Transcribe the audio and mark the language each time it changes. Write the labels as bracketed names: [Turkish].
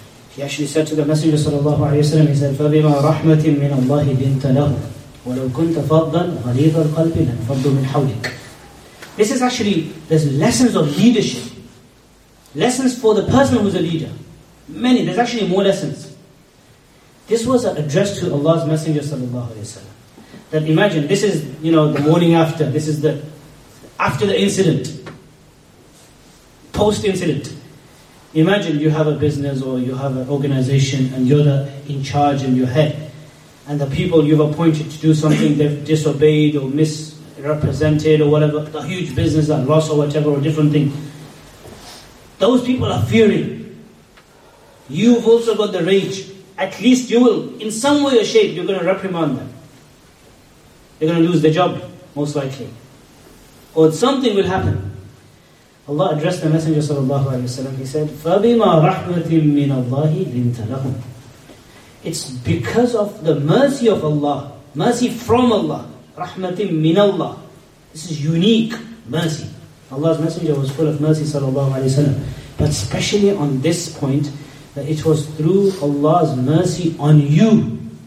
[English] He actually said to the Messenger sallallahu alaihi wasallam, he said, [Arabic] فَبِمَا رَحْمَةٍ مِنَ اللَّهِ بِنْتَ لَهُ وَلَوْ كُنْتَ فَضًّا غَلِيظَ الْقَلْبِ لَنْفَضُّ مِنْ حَوْلِكَ. [English] This is actually, there's lessons of leadership. Lessons for the person who's a leader. Many, there's actually more lessons. This was addressed to Allah's Messenger sallallahu alaihi wasallam. That imagine, this is, you know, the morning after. This is the, after the incident. Post-incident. Imagine you have a business or you have an organization and you're the in charge in your head. And the people you've appointed to do something, they've disobeyed or misrepresented or whatever. A huge business that lost or whatever or different thing. Those people are fearing. You've also got the rage. At least you will, in some way or shape, you're going to reprimand them. They're going to lose their job, most likely. Or something will happen. Allah addressed the Messenger sallallahu alaihi wasallam. He said, [Arabic] فَبِمَا رَحْمَةٍ مِّنَ اللَّهِ لِنْتَ لَهُمْ. [English] It's because of the mercy of Allah. Mercy from Allah. [Arabic] رَحْمَةٍ مِّنَ اللَّهِ. [English] This is unique mercy. Allah's Messenger was full of mercy sallallahu alaihi wasallam. But especially on this point, that it was through Allah's mercy on you.